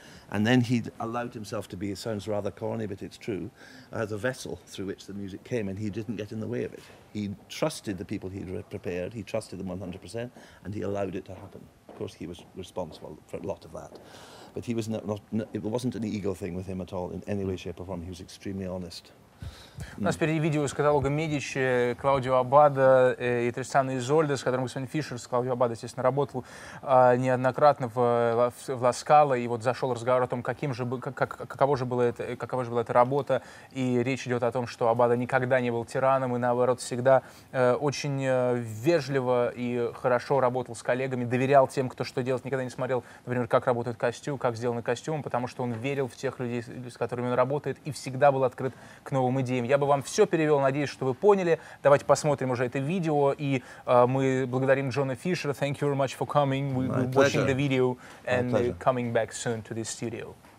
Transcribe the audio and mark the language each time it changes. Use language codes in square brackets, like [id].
[en] And then he allowed himself to be, it sounds rather corny, but it's true, as a vessel through which the music came, and he didn't get in the way of it. He trusted the people he'd prepared, he trusted them 100%, and he allowed it to happen. Of course, he was responsible for a lot of that. But he was not, it wasn't an ego thing with him at all, in any way, shape, or form. He was extremely honest. [ru] У нас впереди видео из каталога Медичи, Клаудио Аббада и Тристана Изольда, с которым господин Фишер, с Клаудио Аббада, естественно, работал неоднократно в Ла Скала, и вот зашел разговор о том, какова же была эта работа, и речь идет о том, что Аббада никогда не был тираном, и наоборот, всегда очень вежливо и хорошо работал с коллегами, доверял тем, кто что делает, никогда не смотрел, например, как работает костюм, как сделаны костюмы, потому что он верил в тех людей, с которыми он работает, и всегда был открыт к новым идеям. Я бы вам все перевел, надеюсь, что вы поняли. Давайте посмотрим уже это видео. И мы благодарим Джона Фишера. [en] Thank you very much for coming. We're watching the video and coming back soon to this studio.